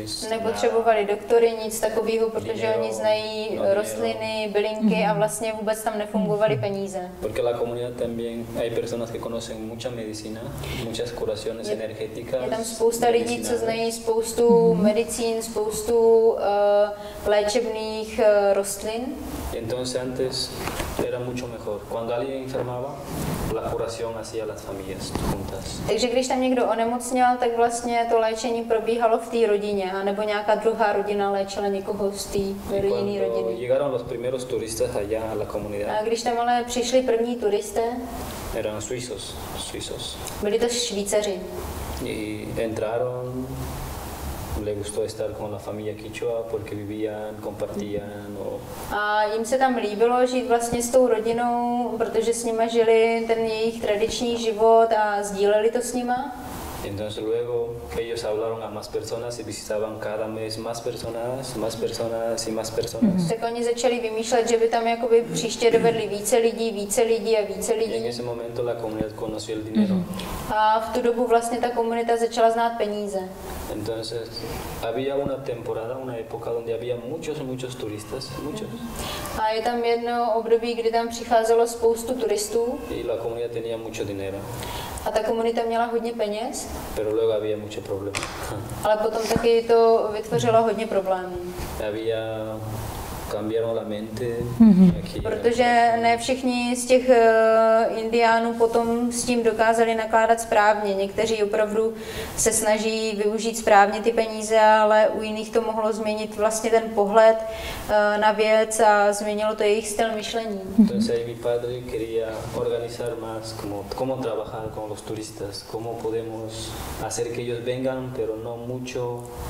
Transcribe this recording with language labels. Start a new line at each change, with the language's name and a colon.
Czech: Nepotřebovali doktory, nic takového, protože oni znají rostliny, bylinky a vlastně vůbec tam nefungovaly peníze.
Spanish: Porque la comunidad también hay personas que conocen mucha medicina, muchas curaciones energéticas.
Czech: Je tam spousta lidí, co znají spoustu medicín, spoustu léčebných rostlin.
Spanish: Entonces antes era mucho mejor. Cuando alguien enfermaba, la curación hacía las familias juntas.
Czech: Takže když tam někdo onemocněl, tak vlastně to léčení probíhalo v té rodině, anebo nějaká druhá rodina léčila někoho z té rodinné rodiny.
Spanish: Cuando llegaron los primeros turistas allá a la comunidad.
Czech: A když tam ale přišli první turisté?
Spanish: Eran suizos.
Czech: Byli to Švýcaři.
Spanish: Y entraron. Le gustó estar con la familia quichua porque vivían, compartían.
Czech: A jim se tam líbilo žít vlastně s tou rodinou, protože s nima žili ten jejich tradiční život a sdíleli to s nima.
Spanish: Entonces luego ellos hablaron a más personas y visitaban cada mes más personas. Mm-hmm.
Czech: Tak oni začali vymýšlet, že by tam jakoby příště dovedli více lidí.
Spanish: En ese momento la comunidad conoció el dinero. Mm-hmm.
Czech: A v tu dobu vlastně ta komunita začala znát peníze.
Spanish: Entonces había una temporada, una época donde había muchos turistas, muchos.
Czech: A je tam jedno období, kdy tam přicházelo spoustu turistů.
Spanish: Y la comunidad tenía mucho dinero.
Czech: A ta komunita měla hodně peněz.
Spanish: Pero luego había mucho problema.
Czech: Ale potom taky to vytvořilo hodně problémů.
Spanish: Había cambiaron la mente.
Czech: Protože ne všichni z těch indiánů potom s tím dokázali nakládat správně. Někteří opravdu se snaží využít správně ty peníze, ale u jiných to mohlo změnit vlastně ten pohled na věc a změnilo to jejich styl myšlení.
Spanish: Entonces mi padre quería organizar más cómo trabajar con los turistas, cómo podemos hacer que ellos vengan, pero no mucho.